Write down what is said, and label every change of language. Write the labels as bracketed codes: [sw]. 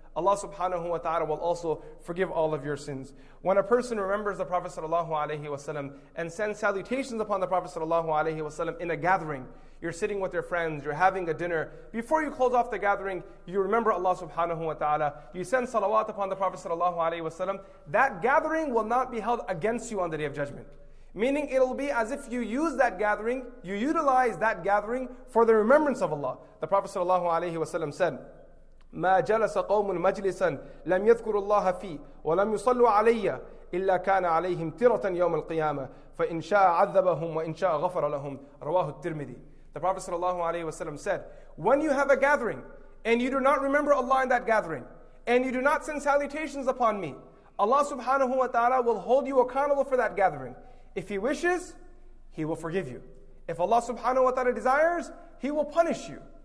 [en] Allah subhanahu wa ta'ala will also forgive all of your sins. When a person remembers the Prophet sallallahu alayhi wa sallam and sends salutations upon the Prophet sallallahu alayhi wa sallam in a gathering, you're sitting with your friends, you're having a dinner, before you close off the gathering, you remember Allah subhanahu wa ta'ala, you send salawat upon the Prophet sallallahu alayhi wa sallam, that gathering will not be held against you on the Day of Judgment. Meaning it'll be as if you use that gathering, you utilize that gathering for the remembrance of Allah. The Prophet sallallahu alayhi wa sallam said, [ar] مَا جَلَسَ قَوْمٌ مَجْلِسًا لَمْ يَذْكُرُ اللَّهَ فِيهِ وَلَمْ يُصَلُّوا عَلَيَّ إِلَّا كَانَ عَلَيْهِمْ تِرَةً يَوْمَ الْقِيَامَةِ فَإِنْ شَاءَ عَذَّبَهُمْ وَإِنْ شَاءَ غَفَرَ لَهُمْ رواه الترمذي. [en] The Prophet sallallahu alayhi wa sallam said, when you have a gathering and you do not remember Allah in that gathering and you do not send salutations upon me, Allah subhanahu wa ta'ala will hold you accountable for that gathering. If He wishes, He will forgive you. If Allah subhanahu wa ta'ala desires, He will punish you.